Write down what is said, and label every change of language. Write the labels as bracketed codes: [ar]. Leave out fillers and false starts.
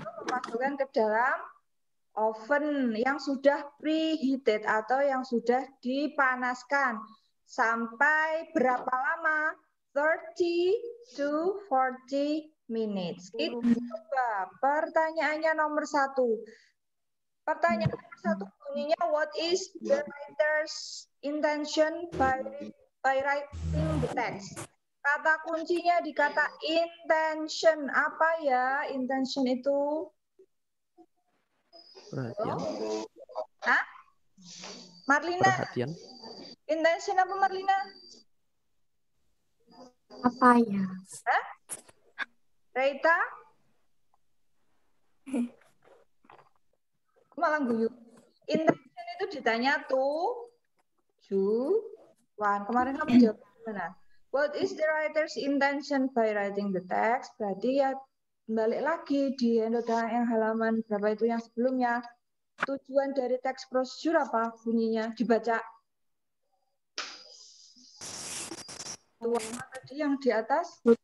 [id] Masukkan ke dalam oven yang sudah preheated atau yang sudah dipanaskan. Sampai berapa lama? [en] 30 to 40 minutes. [id] Itu pertanyaannya nomor satu. Pertanyaan nomor satu bunyinya, [en] what is the writer's intention by writing the text? [id] Kata kuncinya di kata intention. Apa ya intention itu? Perhatian. Hah? Marlina? Perhatian. Intention apa Marlina? Apa ya? Hah? Reita? Malang guyu. Intention itu ditanya tujuan. Kemarin kamu jawab gimana? [en] What is the writer's intention by writing the text? [id] Berarti ya balik lagi di anota yang halaman berapa itu yang sebelumnya. Tujuan dari teks prosedur apa bunyinya dibaca? Tujuan tadi yang di atas.